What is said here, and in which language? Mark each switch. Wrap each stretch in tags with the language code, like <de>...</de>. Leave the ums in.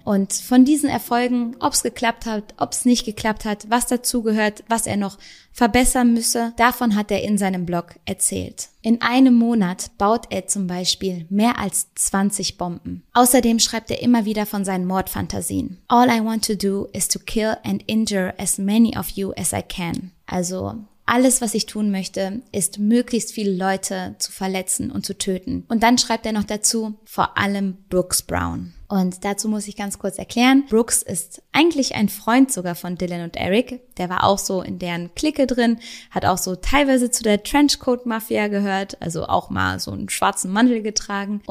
<de>Und von diesen Erfolgen, ob's geklappt hat, ob's nicht geklappt hat, was dazugehört, was er noch verbessern müsse, davon hat er in seinem Blog erzählt. In einem Monat baut er zum Beispiel mehr als 20 Bomben. Außerdem schreibt er immer wieder von seinen Mordfantasien.</de> <en>All I want to do is to kill and injure as many of you as I can.</en> <de>Also alles, was ich tun möchte, ist möglichst viele Leute zu verletzen und zu töten. Und dann schreibt er noch dazu, vor allem Brooks Brown. Und dazu muss ich ganz kurz erklären, Brooks ist eigentlich ein Freund sogar von Dylan und Eric. Der war auch so in deren Clique drin, hat auch so teilweise zu der Trenchcoat-Mafia gehört, also auch mal so einen schwarzen Mantel getragen.</de>